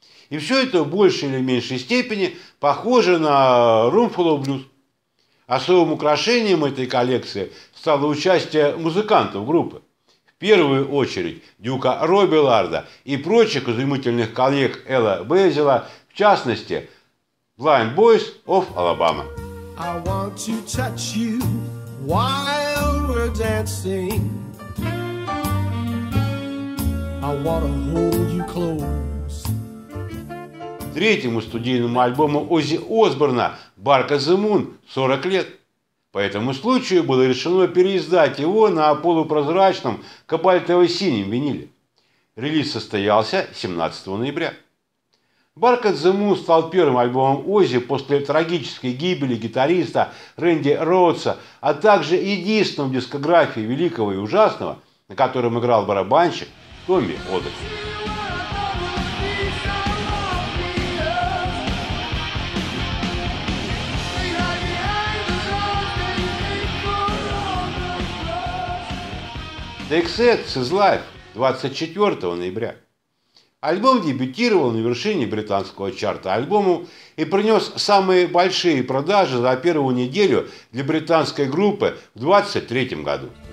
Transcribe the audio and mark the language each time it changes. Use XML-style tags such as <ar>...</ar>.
<ru>И все это в большей или меньшей степени похоже на Roomful of Blues. Особым украшением этой коллекции стало участие музыкантов группы. В первую очередь Дюка Робиларда и прочих изумительных коллег Элла Бейзила, в частности, Blind Boys of Alabama.</ru> <en>I want to touch you while we're dancing. I want to hold you close.</en> <ru>Третьему студийному альбому Оззи Осборна «Bark of the Moon» 40 лет. По этому случаю было решено переиздать его на полупрозрачном кобальтово-синем виниле. Релиз состоялся 17 ноября. «Bark of the Moon» стал первым альбомом Оззи после трагической гибели гитариста Рэнди Роудса, а также единственным в дискографии великого и ужасного, на котором играл барабанщик Томми Одер. XX is Life 24 ноября. Альбом дебютировал на вершине британского чарта альбомов и принес самые большие продажи за первую неделю для британской группы в 23 году.</ru>